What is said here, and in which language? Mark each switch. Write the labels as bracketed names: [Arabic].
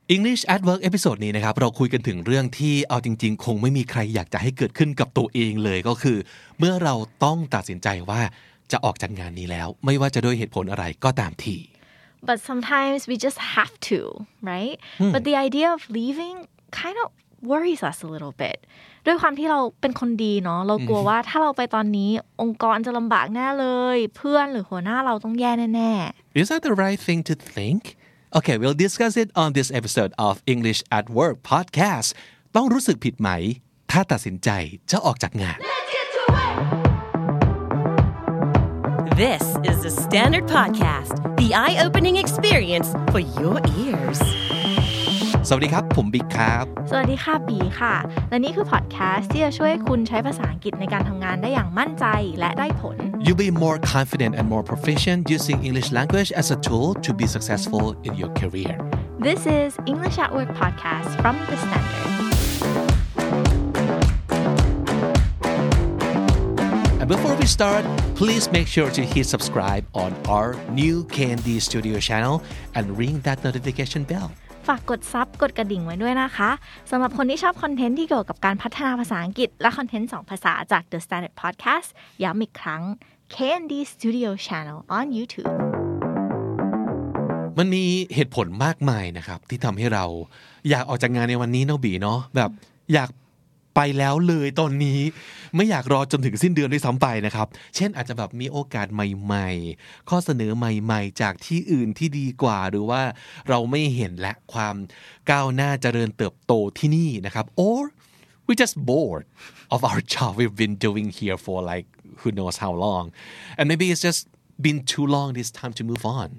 [Thai] English at Work Episode นี้นะครับเราคุยกันถึงเรื่องที่เอาจริงๆคงไม่มีใครอยากจะให้เกิดขึ้นกับตัวเองเลยก็คือเมื่อเราต้องตัดสินใจว่าจะออกจากงานนี้แล้วไม่ว่าจะด้วยเหตุผลอะไรก็ตามที [English] But sometimes we just have to, right? Hmm. But the idea of leaving kind of worries us a little bit. [Thai] ด้วยความที่เราเป็นคนดีเนาะเรากลัวว่าถ้าเราไปตอนนี้องค์กรจะลำบากแน่เลยเพื่อนหรือหัวหน้าเราต้องแย่แน่ [English] ๆ Is that the right thing to think? Okay, we'll discuss it on this episode of English at Work podcast. [Thai] ต้องรู้สึกผิดไหมถ้าตัดสินใจจะออกจากงาน [English] This is the Standard Podcast, the eye-opening experience for your ears. [Thai] สวัสดีครับผมบิ๊กครับ สวัสดีค่ะบีค่ะและนี่คือพอดแคสต์ที่จะช่วยคุณใช้ภาษาอังกฤษในการทำงานได้อย่างมั่นใจและได้ผล [English] You'll be more confident and more proficient using English language as a tool to be successful in your career. This is English at Work Podcast from the Standard. Before we start, please make sure to hit subscribe on our new Candy Studio channel and ring that notification bell. [Thai] ฝากกดซับกดกระดิ่งไว้ด้วยนะคะสำหรับคนที่ชอบคอนเทนต์ที่เกี่ยวกับการพัฒนาภาษาอังกฤษและคอนเทนต์สองภาษาจาก The Standard Podcast ย้ำอีกครั้ง [English] Candy Studio channel on YouTube. [Thai] มันมีเหตุผลมากมายนะครับที่ทำให้เราอยากออกจากงานในวันนี้เนาะบีเนาะแบบอยากไปแล้วเลยตอนนี้ไม่อยากรอจนถึงสิ้นเดือนด้วยซ้ำไปนะครับเช่นอาจจะแบบมีโอกาสใหม่ๆข้อเสนอใหม่ๆจากที่อื่นที่ดีกว่าหรือว่าเราไม่เห็นและความก้าวหน้าเจริญเติบโตที่นี่นะครับ [English] or we just bored of our job we've been doing here for like who knows how long and maybe it's just been too long this time to move on